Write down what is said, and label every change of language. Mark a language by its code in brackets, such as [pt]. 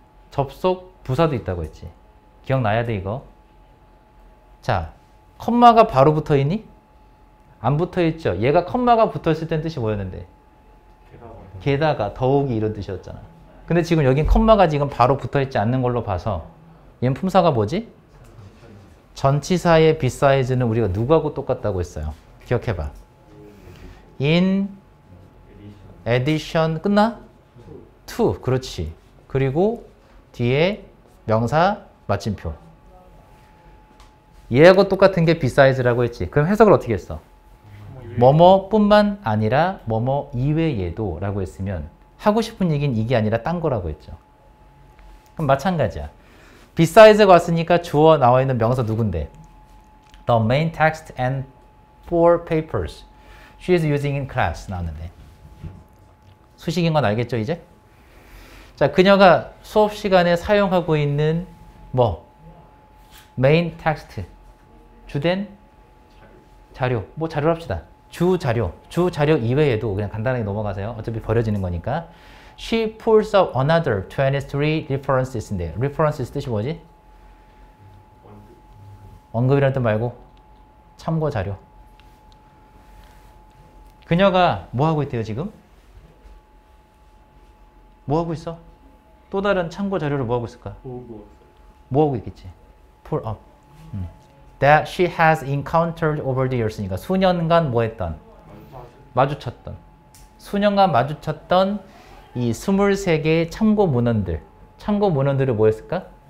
[ko] 접속 부사도 있다고 했지. 기억나야 돼, 이거. 자, 콤마가 바로 붙어 있니? 안 붙어 있죠. 얘가 콤마가 붙었을 땐 뜻이 뭐였는데? 게다가 더욱이 이런 뜻이었잖아. 근데 지금 여긴 콤마가 지금 바로 붙어 있지 않는 걸로 봐서 얘는 품사가 뭐지? 전치사의 비사이즈는 우리가 누구하고 똑같다고 했어요. 기억해봐. [en] In addition [ko] 끝나? To 그렇지. 그리고 뒤에 명사 마침표. 얘하고 똑같은 게 비사이즈라고 했지. 그럼 해석을 어떻게 했어? 뭐뭐뿐만 아니라 뭐뭐 이외에도 라고 했으면 하고 싶은 얘기는 이게 아니라 딴 거라고 했죠. 그럼 마찬가지야. 비사이즈가 왔으니까 주어 나와 있는 명사 누군데? [en] The main text and four papers she is using in class [ko] 나왔는데. 수식인 건 알겠죠 이제? 자, 그녀가 수업 시간에 사용하고 있는 뭐? main text 주된 자료. 뭐 자료랍시다. 주자료. 주자료 이외에도 그냥 간단하게 넘어가세요. 어차피 버려지는 거니까. [en] She pulls up another 23 references인데. [ko] references 뜻이 뭐지? 언급이란 뜻 말고 참고자료. 그녀가 뭐하고 있대요 지금? 뭐하고 있어? 또 다른 참고자료를 뭐하고 있을까? 뭐하고 있겠지? pull up. [en] That she has encountered over the years니까 [ko] 수년간 뭐 했던? 마주쳤던. 수년간 마주쳤던 이 23개의 참고 문헌들. 참고 문헌들을 뭐 했을까?